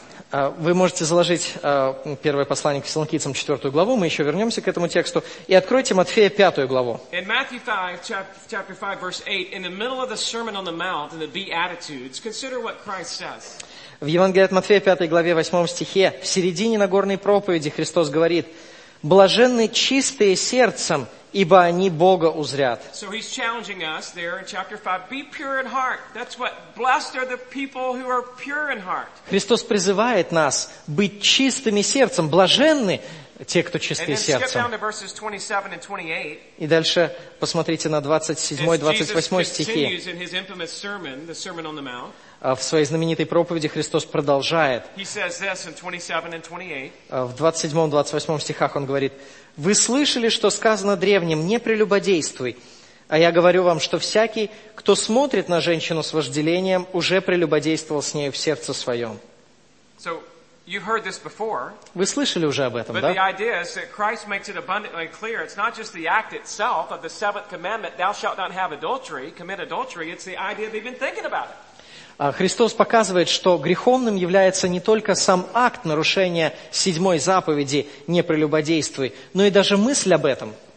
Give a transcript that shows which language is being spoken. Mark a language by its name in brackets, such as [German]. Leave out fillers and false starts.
[Russian] Вы можете заложить первое послание к Фессалоникийцам, 4 главу, мы еще вернемся к этому тексту, и откройте Матфея, 5 главу. [English] In Matthew 5, chapter 5, verse 8, in the middle of the Sermon on the Mount and the Beatitudes, consider what Christ says. [Russian] В Евангелии от Матфея, 5 главе, 8 стихе, в середине Нагорной проповеди Христос говорит, «Блаженны чистые сердцем, ибо они Бога узрят». [English] So he's challenging us there in chapter 5. Be pure in heart. That's what blessed are the people who are pure in heart. [Russian] Христос призывает нас быть чистыми сердцем. Блаженны те, кто чистые сердцем. [English] And then skip down to verses 27 and 28. [Russian] И дальше посмотрите на 27-28 стихи. [English] As Jesus continues in his infamous sermon, the Sermon on the Mount. [Russian] В своей знаменитой проповеди Христос продолжает. [English] He says this in 27 and 28. [Russian] В 27-28 стихах он говорит: «Вы слышали, что сказано древним, не прелюбодействуй. А я говорю вам, что всякий, кто смотрит на женщину с вожделением, уже прелюбодействовал с нею в сердце своем. [English] So, you've heard this before. [Russian] Вы слышали уже об этом, да? [English] But the idea is that Christ makes it abundantly clear. It's not just the act itself of the seventh commandment, thou shalt not have adultery, commit adultery. It's the idea of even thinking about it. [Russian] Христос показывает, что греховным является не только сам акт нарушения седьмой заповеди «не прелюбодействуй», но и даже мысль об этом.